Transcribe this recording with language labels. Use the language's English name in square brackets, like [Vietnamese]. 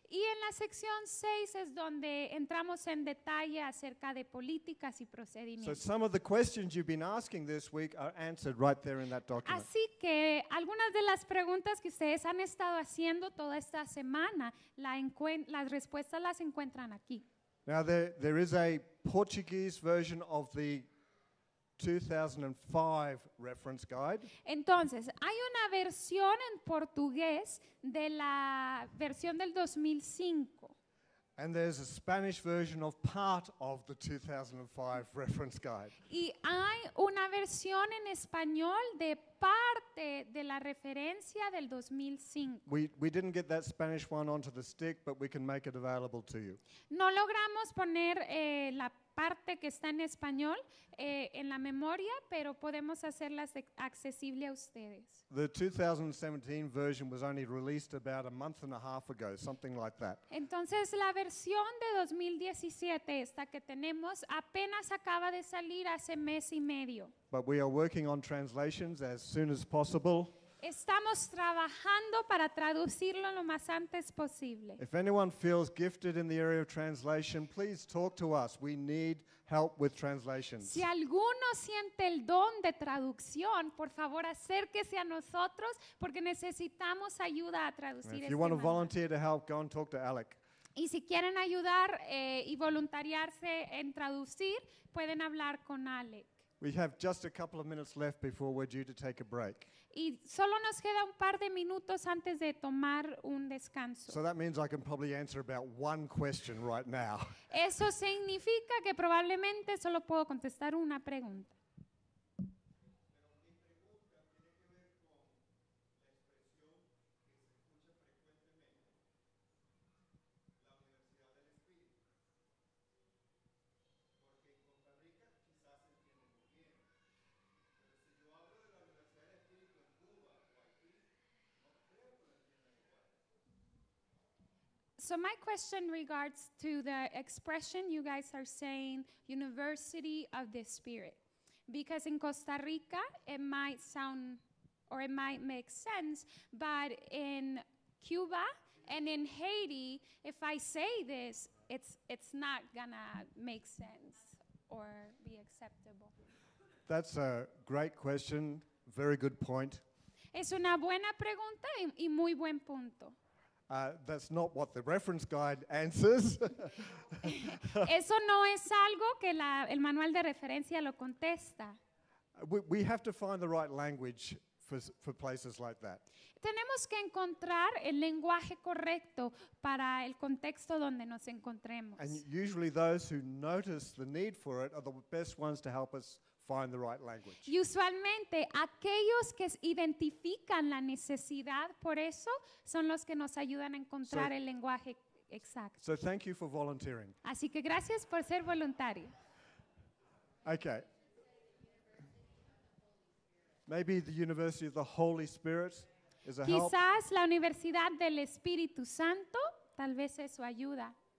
[Spanish] Y en la sección 6 es donde entramos en detalle acerca de políticas y procedimientos. [English] So some of the questions you've been asking this week are answered right there in that document. [Spanish] Así que algunas de las preguntas que ustedes han estado haciendo toda esta semana, las respuestas las encuentran aquí. [English] Now there is a Portuguese version of the 2005 reference guide. [Spanish] Entonces, hay una versión en portugués de la versión del 2005. [English] And there's a Spanish version of part of the 2005 reference guide. [Spanish] Y hay una versión en español de parte de la referencia del 2005. [English] We didn't get that Spanish one onto the stick, but we can make it available to you. [Spanish] No logramos poner la parte que está en español en la memoria, pero podemos hacerla accesible a ustedes. [English] The 2017 version was only released about a month and a half ago, something like that. [Spanish] Entonces, la versión de 2017, esta que tenemos, apenas acaba de salir hace mes y medio. [English] But we are working on translations as soon as possible. [Spanish] Estamos trabajando para traducirlo lo más antes posible. [English] If anyone feels gifted in the area of translation, please talk to us. We need help with translations. [Spanish] Si alguno siente el don de traducción, por favor acérquese a nosotros porque necesitamos ayuda a traducir. [English] If you want to volunteer to help, go and talk to Alec. [Spanish] Y si quieren ayudar y voluntariarse en traducir, pueden hablar con Alec. [English] We have just a couple of minutes left before we're due to take a break. [Spanish] Y solo nos queda un par de minutos antes de tomar un descanso. [English] So that means I can probably answer about one question right now. [Spanish] Eso significa que probablemente solo puedo contestar una pregunta. [English] So my question regards to the expression you guys are saying, University of the Spirit. Because in Costa Rica, it might sound, or it might make sense, but in Cuba and in Haiti, if I say this, it's not gonna make sense or be acceptable. That's a great question, very good point. [Spanish] Es una buena pregunta y muy buen punto. [English] That's not what the reference guide answers. [Spanish] Eso no es algo que el manual de referencia lo contesta. [English] We have to find the right language for places like that. [Spanish] Tenemos que encontrar el lenguaje correcto para el contexto donde nos encontremos. [English] And usually those who notice the need for it are the best ones to help us find the right language. [Spanish] Y usualmente aquellos que identifican la necesidad por eso son los que nos ayudan a encontrar el lenguaje exacto. [English] So thank you for volunteering. [Spanish] Así que gracias por ser voluntario. [English] Okay. Maybe the University of the Holy Spirit is a help. [Spanish] Quizás la Universidad del Espíritu Santo tal vez es su ayuda.